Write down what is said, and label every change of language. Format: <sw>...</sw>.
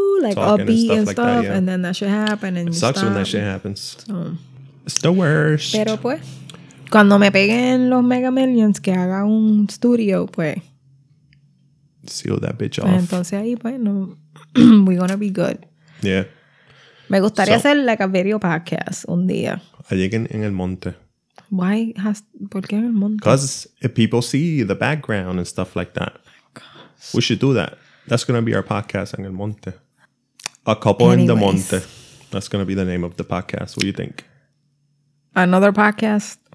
<en>Like upbeat and stuff, and then that shit happened, and it sucks when that shit happens. It's the worst.</en> <es>Pero pues, cuando me peguen los Mega Millions, que haga un studio, pues...</es> <en>Seal that bitch off.</en> <es>Entonces ahí, pues, no...</es> <en>We're gonna be good. Yeah.</en> <es>Me gustaría hacer</es> <en>like a video podcast</en> <es>un día. Allí en el monte.</es> <en>Why?</en> <es>¿Por qué en el monte?</es> <en>Because if people see the background and stuff like that. We should do that. That's gonna be our podcast</en> <es>en el monte.</es> <en>A couple in the monte. That's gonna be the name of the podcast. What do you think? Another podcast?</en>